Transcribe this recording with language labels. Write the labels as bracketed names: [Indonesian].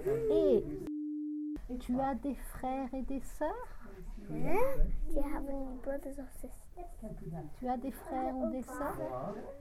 [French] Et tu as des frères et des sœurs? [English] Do you have any brothers or sisters? [French] Tu as des frères ou des sœurs?